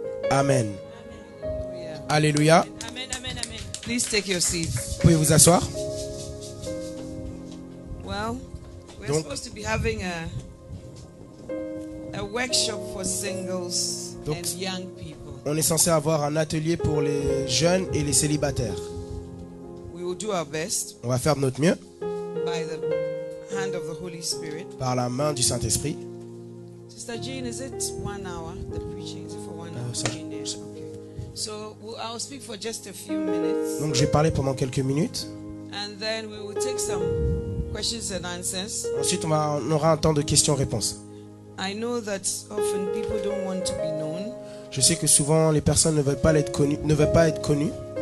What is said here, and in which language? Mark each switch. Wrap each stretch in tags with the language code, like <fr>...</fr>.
<en>Amen. Alléluia. Amen. Amen. Amen. Please take your seat.</en> <fr>Pouvez vous asseoir.</fr> <en>Well, we're donc, supposed to be having a workshop for singles donc, and young people.</en> <fr>On est censé avoir un atelier pour les jeunes et les célibataires.</fr> <en>We will do our best.</en> <fr>On va faire notre mieux.</fr> <en>By the hand of the Holy Spirit.</en> <fr>Par la main du Saint-Esprit.</fr> <en>Sister Jean, is it 1 hour, the preaching? Is it for 1 hour? So I'll speak for just a few minutes.</en> <fr>Donc j'ai parlé pendant quelques minutes.</fr> <en>And then we will take some questions and answers.</en> <fr>Ensuite, on aura un temps de questions-réponses.</fr> <en>I know that often people don't want to be known.</en> <fr>Je sais que souvent les personnes ne veulent pas être connues.</fr>